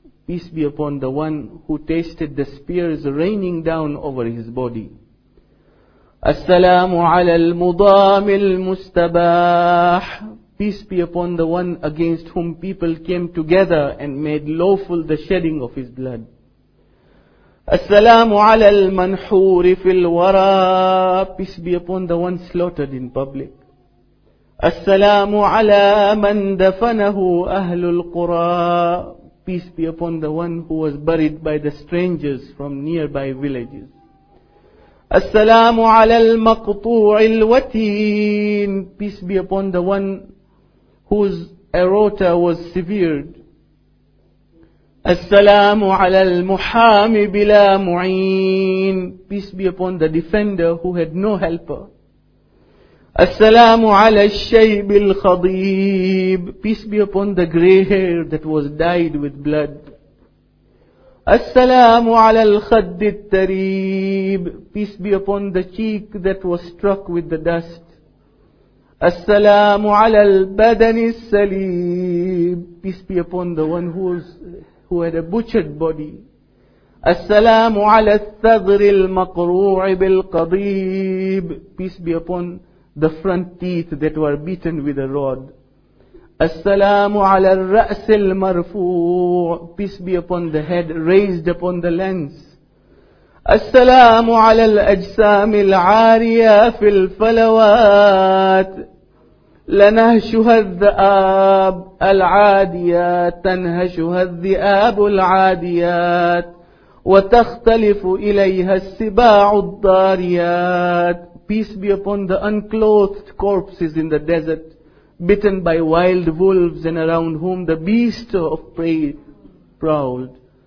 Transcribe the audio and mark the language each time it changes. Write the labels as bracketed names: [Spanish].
[English] Peace be upon the one who tasted the spears raining down over his body. [Arabic] السلام على المضام المستباح. [English] Peace be upon the one against whom people came together and made lawful the shedding of his blood. [Arabic] السلام على المنحور في الورى. [English] Peace be upon the one slaughtered in public. [Arabic] السلام على من دفنه أهل القرى. [English] Peace be upon the one who was buried by the strangers from nearby villages. [Arabic] السلام على المقطوع الوتين. [English] Peace be upon the one whose aorta was severed. [Arabic] السلام على المحامي بلا معين. [English] Peace be upon the defender who had no helper. [Arabic] السلام على الشيب الخضيب. [English] Peace be upon the gray hair that was dyed with blood. [Arabic] السلام على الخد التريب. [English] Peace be upon the cheek that was struck with the dust. [Arabic] السلام على البدن السليم. [English] Peace be upon the one who had a butchered body. [Arabic] السلام على الثغر المقروع بالقضيب. [English] Peace be upon the front teeth that were beaten with a rod. [Arabic] السلام على الرأس المرفوع. [English] Peace be upon the head raised upon the lens. [Arabic] السلام على الأجسام العارية في الفلوات لنهشها الذئاب العاديات. تنهشها الذئاب العاديات وتختلف إليها السباع الضاريات. [English] Peace be upon the unclothed corpses in the desert, bitten by wild wolves and around whom the beast of prey prowled.